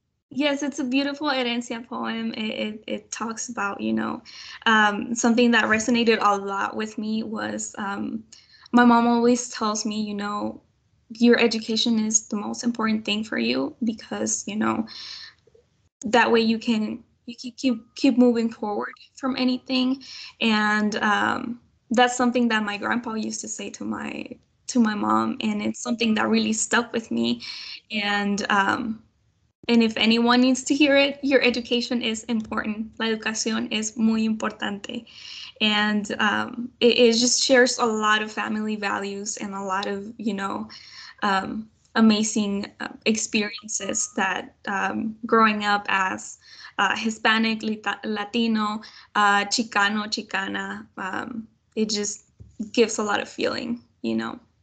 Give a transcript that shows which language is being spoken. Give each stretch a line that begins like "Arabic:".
English: Yes, it's a beautiful herencia poem. It talks about, you know, something that resonated a lot with me was my mom always tells me, you know, your education is the most important thing for you, because, you know, that way you can keep moving forward from anything. And that's something that my grandpa used to say to my mom, and it's something that really stuck with me. And and if anyone needs to hear it, your education is important.
Spanish: La educación es muy importante.
English: And it just shares a lot of family values and a lot of, you know, amazing experiences that growing up as Hispanic, Latino, Chicano, Chicana, it just gives a lot of feeling, you know.